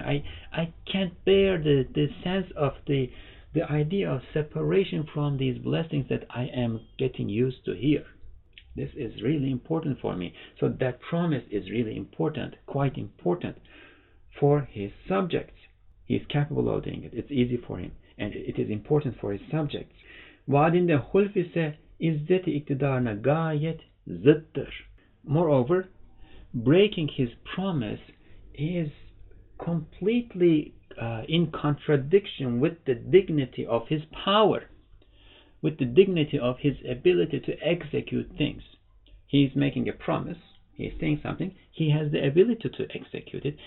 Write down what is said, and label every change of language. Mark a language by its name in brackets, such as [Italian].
[English] I can't bear the sense of the idea of separation from these blessings that I am getting used to here. This is really important for me. So that promise is really important, quite important for his subjects. He is capable of doing it. It's easy for him. And it is important for his subjects. [Turkish] Vaadinde hulf ise izzeti iktidarına gayet zıttır. [English] Moreover, breaking his promise is completely in contradiction with the dignity of his power, with the dignity of his ability to execute things. He is making a promise. He is saying something. He has the ability to execute it.